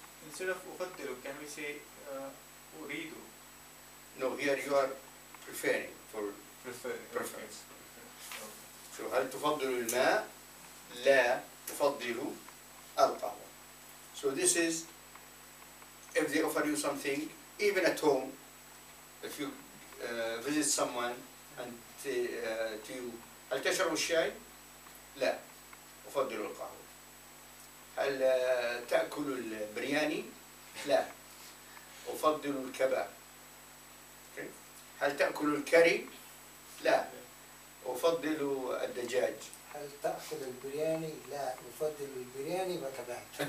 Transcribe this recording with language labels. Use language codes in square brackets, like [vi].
[en] Instead of أفضل can we say أريد؟ No, here you are preferring for preference. Okay. [ar] So هل تفضل الماء؟ لا تفضل القهوة. [en] So this is if they offer you something, even at home, if you visit someone and to you, [ar] هل تشرب الشاي؟ لا أفضل القهوة. هل تأكل البرياني؟ لا أفضل الكباب. هل تأكل الكاري؟ لا أفضل الدجاج. هل تأكل البرياني؟ لا أفضل البرياني وكباب.